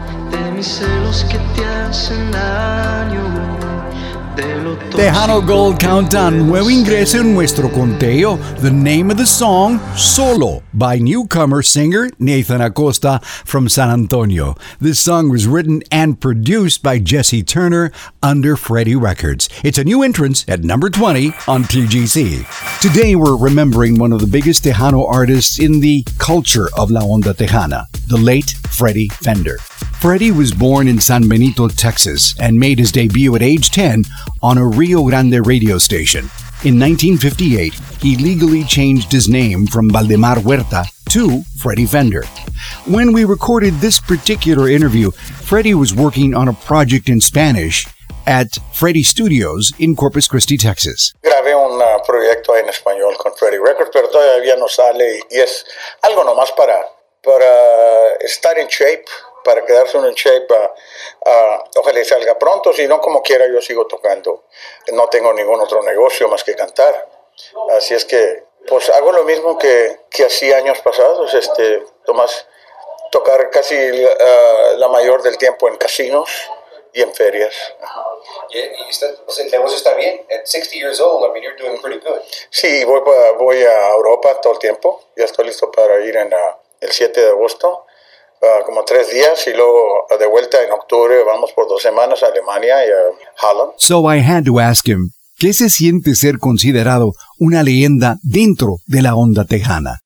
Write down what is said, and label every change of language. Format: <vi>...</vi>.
<es>De mis celos que te hacen daño. Tejano Gold Countdown, nuevo ingreso en nuestro conteo.</es> <en>The name of the song, Solo, by newcomer singer Nathan Acosta from San Antonio. This song was written and produced by Jesse Turner under Freddy Records. It's a new entrance at number 20 on TGC. Today we're remembering one of the biggest Tejano artists in the culture of La Onda Tejana, the late Freddy Fender. Freddy was born in San Benito, Texas, and made his debut at age 10 on a Rio Grande radio station. In 1958, he legally changed his name from Valdemar Huerta to Freddy Fender. When we recorded this particular interview, Freddy was working on a project in Spanish at Freddy Studios in Corpus Christi, Texas.</en> <es>Grabé un proyecto en español con Freddy Records, pero todavía no sale y es algo nomás para estar en shape. Para quedarse en un shape, ojalá salga pronto, si no, como quiera, yo sigo tocando. No tengo ningún otro negocio más que cantar. Así es que, pues hago lo mismo que hacía años pasados, Tomás, tocar casi la mayor del tiempo en casinos y en ferias. El negocio está bien.</es> <en>At 60 years old, I mean, you're doing pretty good.</en> <es>Sí, voy a Europa todo el tiempo. Ya estoy listo para ir en el 7 de agosto. Como 3 días y luego de vuelta en octubre vamos por 2 semanas a Alemania y a Holland.</es> <en>So I had to ask him,</en> <es>¿qué se siente ser considerado una leyenda dentro de la onda tejana?</es>